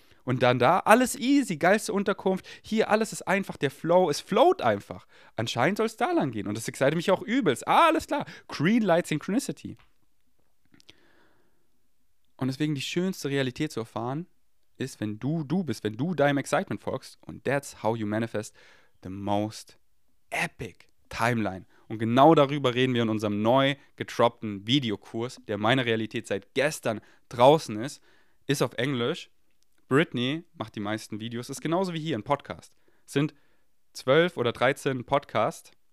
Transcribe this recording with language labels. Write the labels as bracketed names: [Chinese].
[German] Und dann da, alles easy, geilste Unterkunft, hier alles ist einfach, der Flow, es float einfach. Anscheinend soll es da lang gehen und das excite mich auch übelst. Ah, alles klar, [English] Green Light Synchronicity. [German] Und deswegen die schönste Realität zu erfahren, ist, wenn du du bist, wenn du deinem Excitement folgst. [English] Und that's how you manifest the most epic timeline. [German] Und genau darüber reden wir in unserem neu getroppten Videokurs, der meine Realität seit gestern draußen ist. Ist auf Englisch. Britney macht die meisten Videos. Ist genauso wie hier ein Podcast. Sind 12 oder 13 Podcasts.